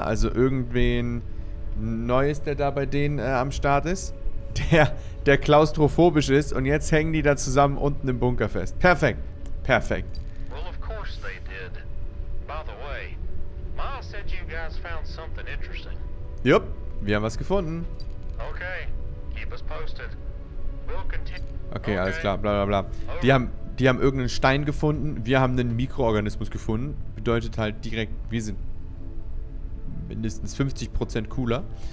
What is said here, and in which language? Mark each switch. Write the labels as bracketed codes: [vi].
[de] Also irgendwen Neues, der da bei denen am Start ist. Der klaustrophobisch ist und jetzt hängen die da zusammen unten im Bunker fest. Perfekt. Perfekt. [en] Well, of course they did. By the way, Miles said you guys found something interesting. [de] Yep, wir haben was gefunden. [en] Okay, keep us posted. We'll continue. [de] Okay, alles klar, bla bla bla. Die haben irgendeinen Stein gefunden, wir haben einen Mikroorganismus gefunden. Bedeutet halt direkt, wir sind mindestens 50% cooler.